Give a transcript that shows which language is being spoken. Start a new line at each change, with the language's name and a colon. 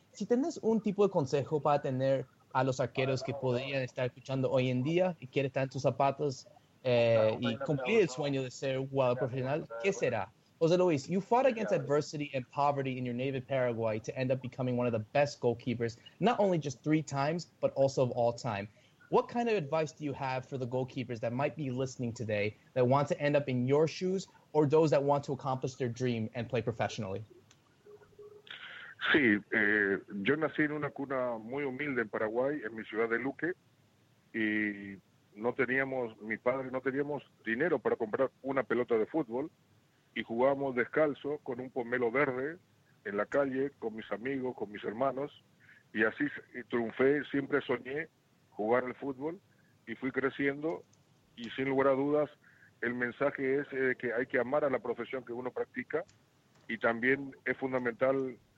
Spanish: Si tenés un tipo de consejo para tener a los arqueros que podrían estar escuchando hoy en día y quieren estar en tus zapatos... y cumplir el sueño de ser jugador profesional, ¿qué será?
English: José Luis, you fought against adversity and poverty in your native Paraguay to end up becoming one of the best goalkeepers, not only just three times, but also of all time. What kind of advice do you have for the goalkeepers that might be listening today that want to end up in your shoes or those that want to accomplish their dream and play professionally?
Spanish: Sí, yo nací en una cuna muy humilde en Paraguay, en mi ciudad de Luque, y no teníamos, mi padre, no teníamos dinero para comprar una pelota de fútbol, y jugábamos descalzo con un pomelo verde en la calle, con mis amigos, con mis hermanos, y así triunfé, siempre soñé jugar al fútbol, y fui creciendo, y sin lugar a dudas, el mensaje es que hay que amar a la profesión que uno practica, y también es fundamental